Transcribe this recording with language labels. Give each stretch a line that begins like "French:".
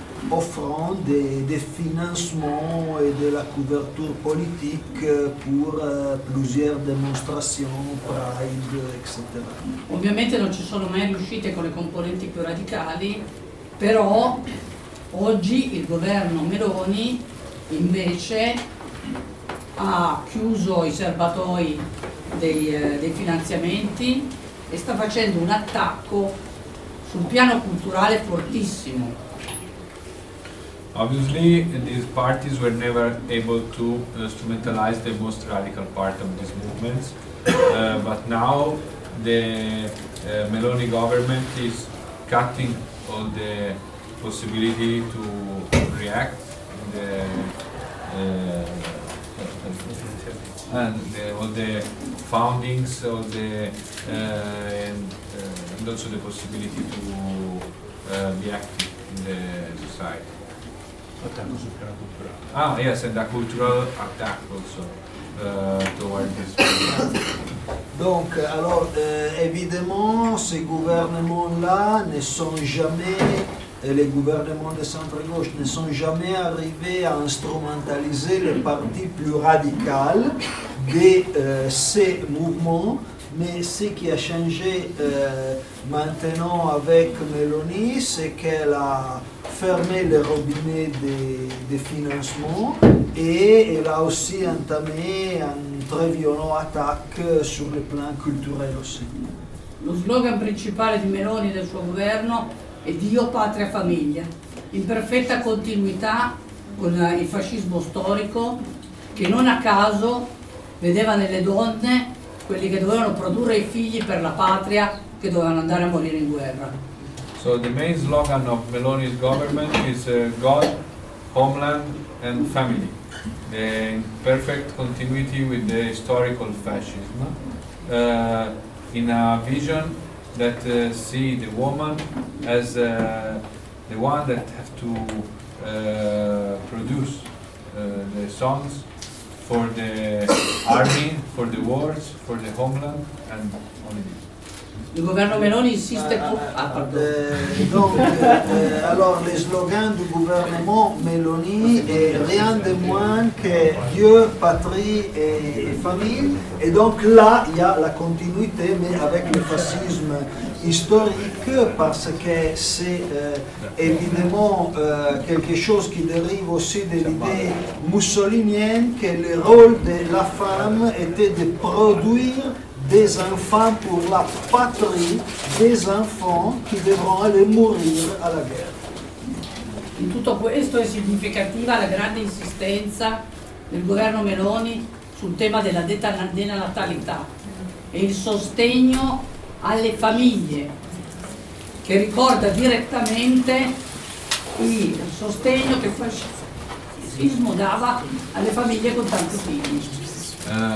French: offrant des financements et de la couverture politique pour plusieurs démonstrations, Pride, etc.
Italian: Ovviamente non ci sono mai riuscite con le componenti più radicali, però oggi il governo Meloni invece ha chiuso i serbatoi dei finanziamenti e sta facendo un attacco sul piano culturale fortissimo.
English: Obviously, these parties were never able to instrumentalize the most radical part of these movements, but now the Meloni government is cutting all the possibility to react and all the foundings, all the and also the possibility to be active in the society.
Italian: Attacco sul piano culturale.
English: Ah, yes, and a cultural attack also towards this.
French: Donc, alors, évidemment, ces gouvernements-là ne sont jamais, les gouvernements de centre-gauche ne sont jamais arrivés à instrumentaliser le parti plus radical de ces mouvements. Mais ce qui a changé maintenant avec Meloni, c'est qu'elle a fermé les robinets des financements et elle a aussi entamé un très violent attaque sur le plan culturel aussi.
Italian: Lo slogan principale di Meloni e del suo governo è Dio, patria, famiglia, in perfetta continuità con il fascismo storico che non a caso vedeva nelle donne quelli che dovevano produrre i figli per la patria che dovevano andare a morire in guerra.
English: So the main slogan of Meloni's government is God, homeland and family, in perfect continuity with the historical fascism, in a vision that see the woman as the one that have to produce the sons for the army, for the wars, for the homeland, and only this.
Italian: Il governo Meloni insiste
French: Alors, le slogan du gouvernement Meloni est rien de moins que Dieu, patrie et famille. Et donc là, il y a la continuité, mais avec le fascisme historique, parce que c'est évidemment quelque chose qui dérive aussi de l'idée mussolinienne que le rôle de la femme était de produire des enfants pour la patrie, des enfants qui devront aller mourir à la guerre.
Italian: In tutto questo è significativa la grande insistenza del governo Meloni sul tema della denatalità e il sostegno alle famiglie, che ricorda direttamente il sostegno che il fascismo dava alle famiglie con tanti figli.